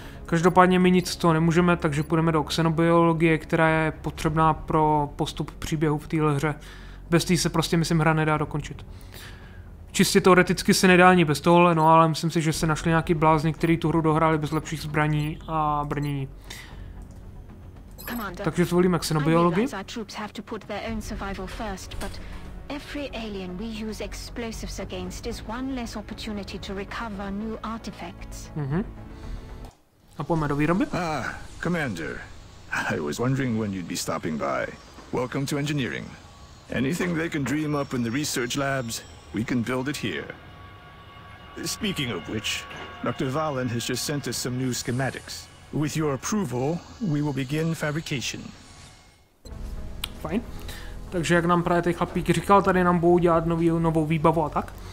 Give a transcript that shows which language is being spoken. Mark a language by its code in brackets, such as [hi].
[cs] Každopádně my nic z toho nemůžeme, takže půjdeme do xenobiologie, která je potřebná pro postup příběhu v téhle hře. Bez tý se prostě, myslím, hra nedá dokončit. Čistě teoreticky se nedá ani bez tohle, no ale myslím si, že se našli nějaký blázni, který tu hru dohráli bez lepších zbraní a brnění. Takže zvolíme xenobiologii. [en] Our troops have to put their own survival first, but every alien we use explosives against is one less opportunity to recover new artifacts. [cs] A pojďme do výroby. [en] Ah, Commander. I was wondering when you'd be stopping by. Welcome to engineering. Anything they can dream up in the research labs, we can build it here. Speaking of which, Dr. Valen has just sent us some new schematics. With your approval, we will begin fabrication. [cs] Fajn. Takže jak nám právě ten chlapík říkal, tady nám budou dělat novou výbavu a tak.